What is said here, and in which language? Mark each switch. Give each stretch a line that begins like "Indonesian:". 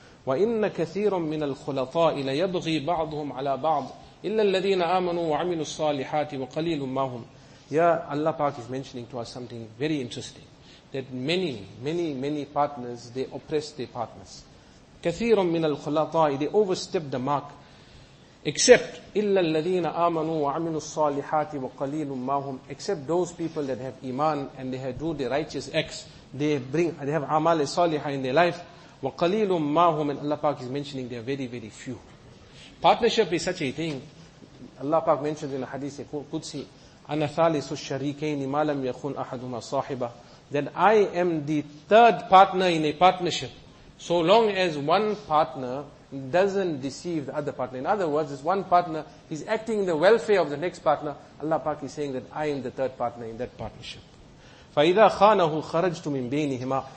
Arabic: وَإِنَّ كَثِيرٌ مِّنَ الْخُلَطَاءِ لَيَبْغِي بَعْضُهُمْ عَلَى بَعْضٍ إِلَّا الَّذِينَ آمَنُوا وَعَمِلُوا الصَّالِحَاتِ وَقَلِيلٌ مَّا هُمْ.
English: Yeah, Allah Pak is mentioning to us something very interesting. That many, many, many partners, they oppress their partners.
Arabic: كَثِيرٌ مِّنَ الْخُلَطَاءِ,
English: they overstep the mark. Except,
Arabic: إِلَّا الَّذِينَ آمَنُوا وَعَمِلُوا الصَّالِحَاتِ وَقَلِيلٌ مَّا هُمْ.
English: Except those people that have iman and they have do the righteous acts, they have amal saliha in their life.
Arabic: وَقَلِيلٌ مَّا هُمْ.
English: And Allah Pak is mentioning they are very, very few. Partnership is such a thing. Allah Pak mentions in a hadith, Qudsi,
Arabic: أَنَا ثَالِثُ الشَّرِيكَيْنِ مَا لَمْ يَكُنْ أَحَدُهُمَا صَاحِبًا.
English: That I am the third partner in a partnership, so long as one partner doesn't deceive the other partner. In other words, this one partner is acting in the welfare of the next partner. Allah Pak is saying that I am the third partner in that partnership.
Arabic: فَإِذَا خَانَهُ خَرَجْتُ مِنْ بَيْنِهِمَا.